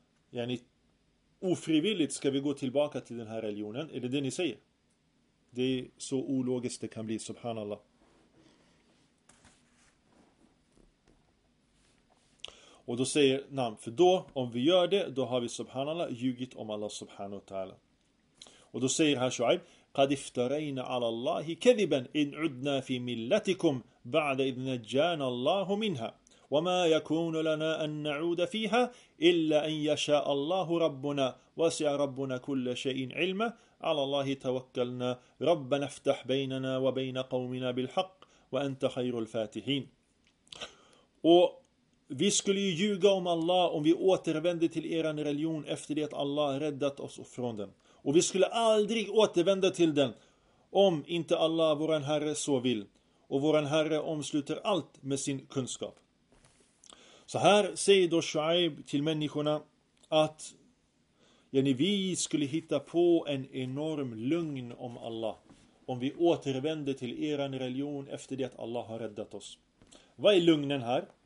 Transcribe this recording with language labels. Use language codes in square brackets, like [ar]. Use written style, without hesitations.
[sv] Yani, ofrivilligt ska vi gå tillbaka till den här religionen. Är det det ni säger? Det är så ologiskt det kan bli, subhanallah. Och då säger Nam, för då, om vi gör det, då har vi subhanallah ljugit om Allah subhanahu wa ta'ala. Och då säger här Shu'aib, [ar] قَدْ افْتَرَيْنَ عَلَى اللَّهِ كَذِبًا إِنْ عُدْنَا فِي مِلَّتِكُمْ بَعْدَ إِذْ نَجَّانَ اللَّهُ مِنْهَا وَمَا يَكُونُ لَنَا أَن نَعُودَ فِيهَا إِلَّا أَن يَشَاءَ اللَّهُ رَبُّنَا وَسِعَ رَبُّنَا كُلَّ شَيْءٍ عِلْمًا عَلَى اللَّهِ تَوَكَّلْنَا رَبَّنَا افْتَحْ بَيْنَنَا وَبَيْنَ قَوْمِنَا بِالْحَقِّ وَأَنْتَ خَيْرُ الْفَاتِحِينَ. [sv] Och vi skulle ju ljuga om Allah om vi återvände till eran religion efter det att Allah räddat oss från den. Och vi skulle aldrig återvända till den om inte Allah, våran Herre, så vill. Och våran Herre omsluter allt med sin kunskap. Så här säger då Shu'aib till människorna att yani, vi skulle hitta på en enorm lugn om Allah om vi återvände till eran religion efter det att Allah har räddat oss. Vad är lugnen här?